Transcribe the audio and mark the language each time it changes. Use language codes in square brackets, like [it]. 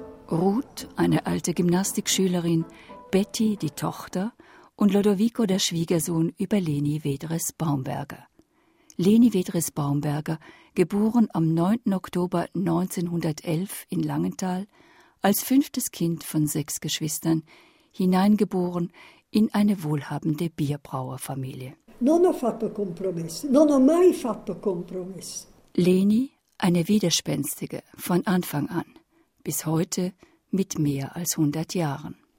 [de] Ruth, eine alte Gymnastikschülerin, Betty, die Tochter, und Lodovico, der Schwiegersohn, über Leni Vedres Baumberger. Leni Vedres Baumberger, geboren am 9. Oktober 1911 in Langenthal, als fünftes Kind von 6 Geschwistern, hineingeboren in eine wohlhabende Bierbrauerfamilie. [it] Non ho fatto compromessi, non ho mai fatto compromessi. [de] Leni, eine Widerspenstige, von Anfang an, bis heute mit mehr als 100 Jahren.